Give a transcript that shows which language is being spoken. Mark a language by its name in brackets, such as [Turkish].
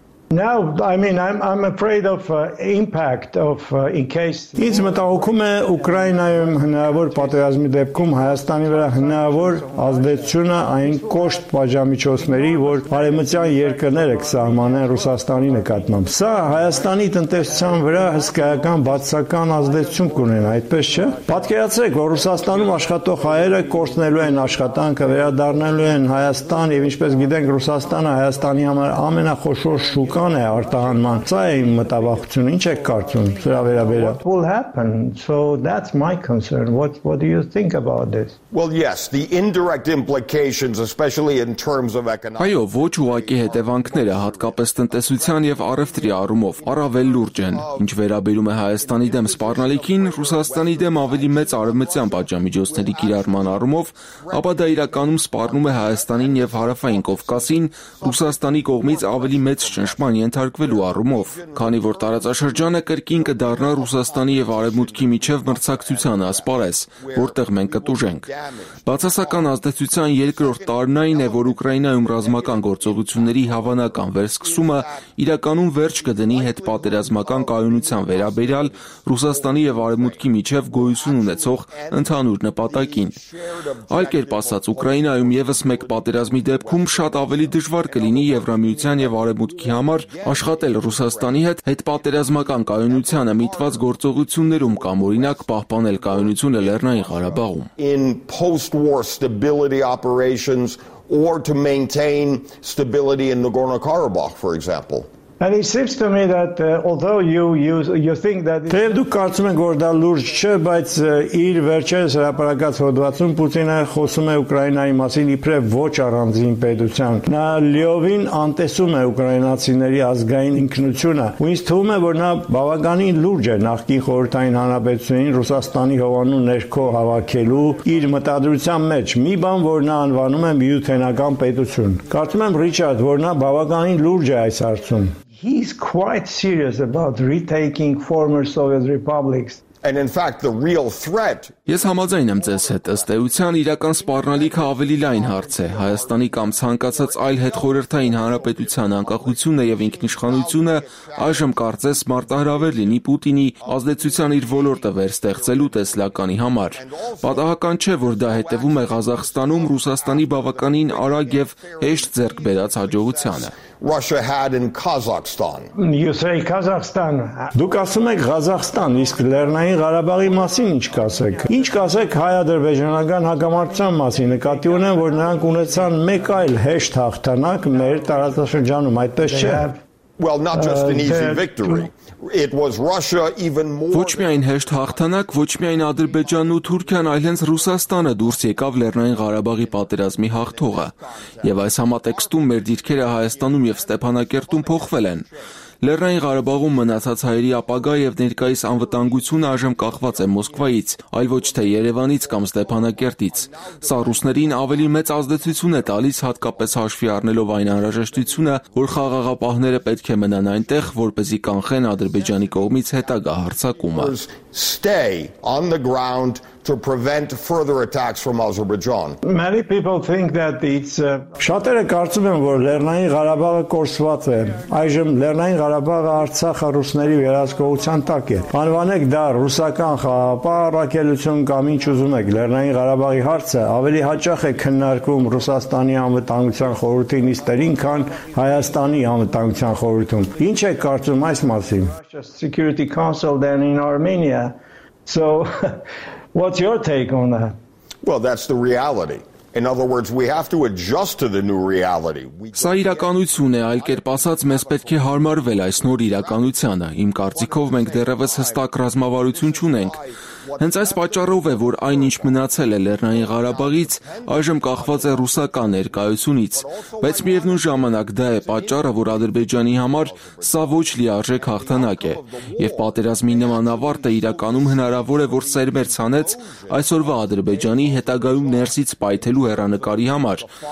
[English] Now, I'm afraid of impact of in case. [Armenian] Ինչ մտահոգում է Ուկրաինայում հնարավոր պատերազմի դեպքում Հայաստանի վրա հնարավոր ազդեցությունը այն կոշտ պայմանիչոցների, որ Արևմտյան երկրները կսահմանեն Ռուսաստանի նկատմամբ։ Սա Հայաստանի տնտեսության վրա հսկայական բացական ազդեցություն կունենա, այդպես չէ՞։ Պատկերացրեք, որ Ռուսաստանում աշխատող հայերը կորցնելու են աշխատանքը, վերադառնելու են Հայաստան, եւ ինչպես գիտենք, Ռուսաստանը Հայաստանի համար ամենախոշոր կան է արտահանման։ Սա է իմ մտավախությունը, ինչ եք կարծում սրա վերաբերյալ։ [English] What will happen? So that's my concern. What do you think about this? Well, yes, the indirect implications, especially in terms of economic. [Armenian] Այո, ոչ ուղղակի հետևանքները հատկապես տնտեսության եւ առևտրի առումով առավել լուրջ են։ Ինչ վերաբերում է Հայաստանի դեմ սպառնալիքին, Ռուսաստանի դեմ ավելի մեծ արևմտյան պատժամիջոցների կիրառման առումով, ապա դա իրականում սպառնում է Հայաստանին եւ Հարավային Կովկասին Ռուսաստանի կողմից ավելի մեծ ճնշման ենթարկվելու առումով, քանի որ տարածաշրջանը կրկին կդառնա Ռուսաստանի եւ Արևմուտքի միջև մրցակցության ասպարես, որտեղ մենք կտուժենք։ Բացասական ազդեցության երկրորդ տարնային է, որ Ուկրաինայում ռազմական գործողությունների հավանական վերսկսումը իրականում վերջ կդնի հետ պատերազմական կայունության վերաբերյալ Ռուսաստանի եւ Արևմուտքի միջև գոյություն ունեցող ընդհանուր նպատակին։ Այլ կերպ ասած, Ուկրաինայում եւս մեկ պատերազմի դեպքում շատ ավելի դժվար կլինի Եվրամիության եւ Արևմուտքի համար աշխատել Ռուսաստանի հետ հետպատերազմական կայունությանը միտված գործողություններում կամ օրինակ պահպանել կայունությունը Լեռնային Ղարաբաղում։ [English] In post-war stability operations or to maintain stability in Nagorno-Karabakh, for example. And it seems to me that although you think that [Armenian] Թե դուք կարծում եք որ դա լուրջ չէ, բայց իր վերջերս հրապարակած հոդվածում Պուտինը խոսում է Ուկրաինայի մասին իբրև ոչ առանձին պետության։ Նա լիովին անտեսում է ուկրաինացիների ազգային ինքնությունը։ Ու ինձ թվում է որ նա բավականին լուրջ է նախկին խորհրդային հանրապետությունին Ռուսաստանի հովանու ներքո հավաքելու իր մտադրության մեջ մի բան, որ նա անվանում է միութենական պետություն։ Կարծում եմ Ռիչարդ, որ նա բավականին լուրջ է այս հարցում։ [English] He's quite serious about retaking former Soviet republics. And in fact, the real threat. [Armenian] Ես համաձայն եմ ձեզ հետ, ըստ էության իրական սպառնալիքը ավելի լայն հարց է։ Հայաստանի կամ ցանկացած այլ հետխորհրդային հանրապետության անկախությունը եւ ինքնիշխանությունը այժմ կարծես մարտահրավեր լինի Պուտինի ազդեցության իր ոլորտը վերստեղծելու տեսլականի համար։ Պատահական չէ, որ դա հետևում է Ղազախստանում Ռուսաստանի բավականին արագ եւ հեշտ ձեռք բերած հաջողությանը։ [English] Russia had in Kazakhstan. You say Kazakhstan. [Armenian] Դուք ասում եք Ղազախստան, իսկ Լեռնային Ղարաբաղի մասին ինչ կասեք։ Ինչ կասեք հայ-ադրբեջանական հակամարտության մասին։ Նկատի ունեմ, որ նրանք ունեցան մեկ այլ հեշտ հաղթանակ մեր տարածաշրջանում, այդպես չէ։ [English] Well, not just an easy victory. It was Russia even more. [Armenian] Ոչ միայն հեշտ հաղթանակ, ոչ միայն Ադրբեջանն ու Թուրքիան, այլ հենց Ռուսաստանը դուրս եկավ Լեռնային Ղարաբաղի պատերազմի հաղթողը։ Եվ այս համատեքստում մեր դիրքերը Հայաստանում եւ Ստեփանակերտում փոխվել են։ Լեռնային Ղարաբաղում մնացած հայերի ապագա եւ ներկայիս անվտանգությունը այժմ կախված է Մոսկվայից, այլ ոչ թե Երևանից կամ Ստեփանակերտից։ Սա ռուսներին ավելի մեծ ազդեցություն է տալիս, հատկապես հաշվի առնելով այն անհրաժեշտությունը, որ խաղաղապահները պետք է մնան այնտեղ, որպեսզի կանխեն Ադրբեջանի կողմից հետագա հարձակումը։ Stay on the ground to prevent further attacks from Azerbaijan. [English] Many people think that it's [Armenian] Շատերը կարծում են, որ Լեռնային Ղարաբաղը կորսված է։ Այժմ Լեռնային Ղարաբաղը Արցախը ռուսների վերահսկողության տակ է։ Անվանեք դա ռուսական խաղապահ առաքելություն կամ ինչ ուզում եք, Լեռնային Ղարաբաղի հարցը ավելի հաճախ է քննարկվում Ռուսաստանի անվտանգության խորհրդի նիստերին, քան Հայաստանի անվտանգության խորհրդում։ Ինչ եք կարծում այս մասին։ [English] Security Council then in Armenia. So what's your take on that? Well, that's the reality. In other words, we have to adjust to the new reality. [Armenian] Սա իրականություն է, այլ կերպ ասած, մեզ պետք է հարմարվել այս նոր իրականությանը։ Իմ կարծիքով մենք դեռևս հստակ ռազմավարություն չունենք։ Հենց այս պատճառով է, որ այնինչ մնացել է Լեռնային Ղարաբաղից, այժմ կախված է ռուսական ներկայությունից, բայց միևնույն ժամանակ դա է պատճառը, որ Ադրբեջանի համար սա ոչ լիարժեք հաղթանակ է, եւ պատերազմի նման ավարտը իրականում հնարավոր է, որ սերմեր ցանեց այսօրվա Ադրբեջանի հետագայում ներսից պայթելու հերանկարի համար,